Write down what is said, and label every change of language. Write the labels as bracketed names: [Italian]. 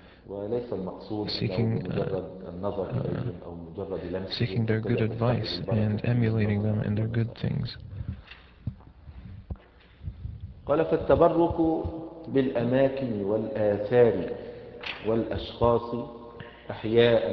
[Arabic] وليس المقصود seeking النظر إليهم أو مجرد لمسهم [English] seeking their good advice and emulating them in their good things. [Arabic] قال فالتبرك بالأماكن والآثار والأشخاص أحياء